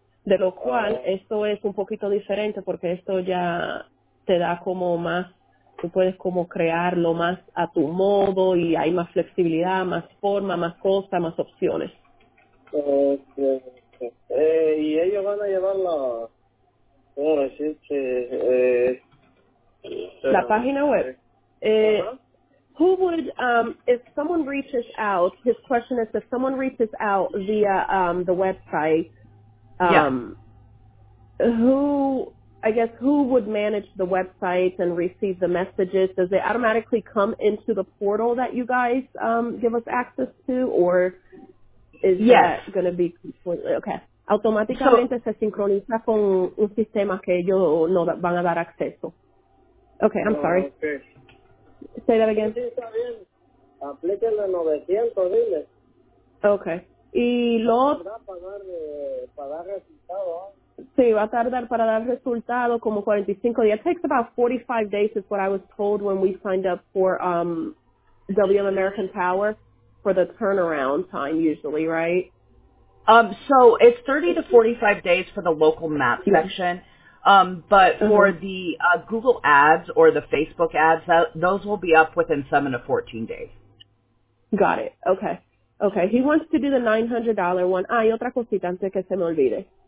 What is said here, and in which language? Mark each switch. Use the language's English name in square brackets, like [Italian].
[Spanish] De lo cual, esto es un poquito diferente porque esto ya te da como más, tú puedes como crearlo más a tu modo y hay más flexibilidad, más forma, más cosas, más opciones. Okay. ¿Y ellos van a llevar la, cómo decirte, la página web? [English] If someone reaches out, his question is, if someone reaches out via the website, who would manage the website and receive the messages? Does it automatically come into the portal that you guys give us access to, or is that going to be completely, okay? [Spanish] Automáticamente se sincroniza con un sistema que ellos no van a dar acceso. [English] Okay, I'm sorry. Okay. Say that again. [Spanish] Sí, está bien. Aplíquenle 900, dile. Okay. Y lo para dar resultado. Sí, va a tardar para dar resultado como 45 días. [English] It takes about 45 days is what I was told when we signed up for WM American Power for the turnaround time usually, right? So it's 30 to 45 days for the local map section. For the Google Ads or the Facebook Ads, those will be up within 7 to 14 days. Got it. Okay. Okay, he wants to do the $900 one. [Spanish] Ah, y otra cosita antes que se me olvide.